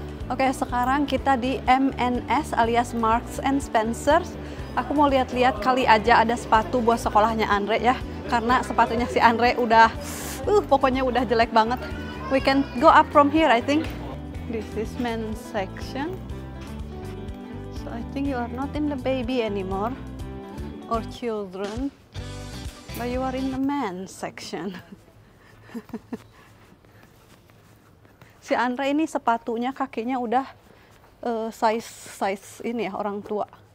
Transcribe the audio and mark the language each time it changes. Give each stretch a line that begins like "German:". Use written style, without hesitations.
Indonesian: Oke, okay, sekarang kita di M&S alias Marks and Spencer. Aku mau lihat-lihat kali aja ada sepatu buat sekolahnya Andre ya. Karena sepatunya si Andre udah, pokoknya udah jelek banget.
English: We can go up from here, I think. This is men's section. I think you are not in the baby anymore, or children, but you are in the men's section.
Indonesian: si Andre ini sepatunya kakinya udah size ini ya, orang tua.